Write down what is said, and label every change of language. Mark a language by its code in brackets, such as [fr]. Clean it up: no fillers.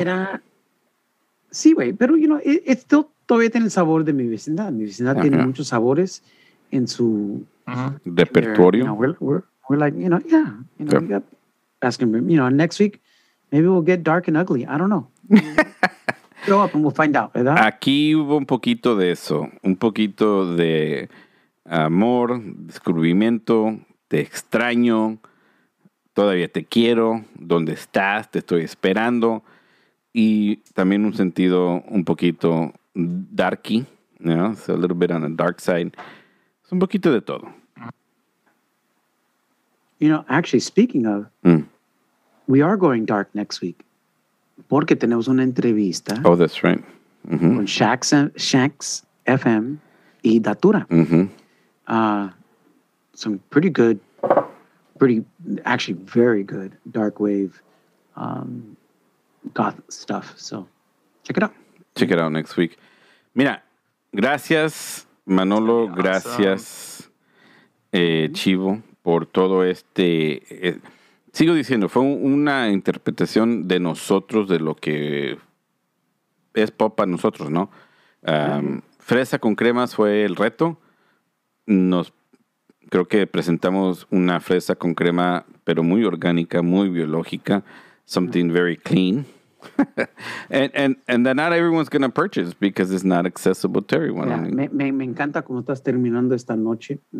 [es] Era, sí, güey, pero, [en] you know, it still [es] todavía tiene el sabor de Mi Vecindad. Mi Vecindad tiene muchos sabores en su repertorio. [en] You know, we're like, you know, yeah, you know, we got asking, you know, next week, maybe we'll get dark and ugly. I don't know. Show up and we'll find out, ¿verdad? [es] Aquí hubo un poquito de eso, un poquito de amor, descubrimiento, te extraño, todavía te quiero, ¿dónde estás? Te estoy esperando. Y también un sentido un poquito darky, ¿no? [en] It's a little bit on the dark side. [es] Es un poquito de todo. [en] You know, actually, speaking of, we are going dark next week. [es] Porque tenemos una entrevista. [en] Oh, that's right. [es] Mm-hmm. Con Shacks FM y Datura. Mm-hmm. [en] Some pretty good, pretty, actually very good dark wave goth stuff. So check it out. Check it out next week. [es] Mira, gracias Manolo, gracias Chivo por todo este... sigo diciendo, fue una interpretación de nosotros, de lo que es pop para nosotros, ¿no? Fresa con cremas fue el reto. Creo que presentamos una fresa con crema, pero muy orgánica, muy biológica. [en] Something very clean. and that not everyone's going to purchase because it's not accessible to everyone. [es] Yeah, me encanta cómo estás terminando esta noche.